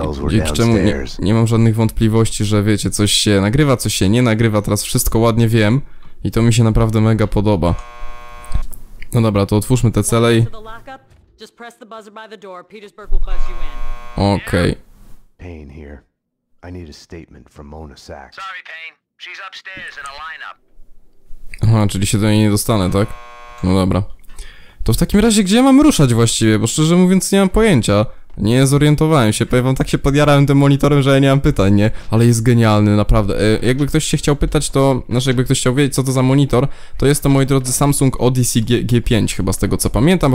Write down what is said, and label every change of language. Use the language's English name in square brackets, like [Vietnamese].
[Polish] Dzięki czemu nie mam żadnych wątpliwości, że wiecie, coś się nagrywa, coś się nie nagrywa, teraz wszystko ładnie wiem i to mi się naprawdę mega podoba. No dobra, to otwórzmy te cele i... [English] Just press the buzzer by the door. Petersburg will buzz you in. Okay. Payne here. I need a statement from Mona Sachs. Sorry, Payne. She's upstairs in a lineup. [Polish] Aha, czyli się do niej nie dostanę, tak? No dobra. To w takim razie, gdzie mam ruszać właściwie? Bo szczerze mówiąc, nie mam pojęcia. Nie zorientowałem się. Powiem wam, tak się podjarałem tym monitorem, że ja nie mam pytań, nie? Ale jest genialny, naprawdę. Jakby ktoś się chciał pytać, to... Znaczy, jakby ktoś chciał wiedzieć, co to za monitor, to jest to, moi drodzy, Samsung Odyssey G5, chyba z tego, co pamiętam.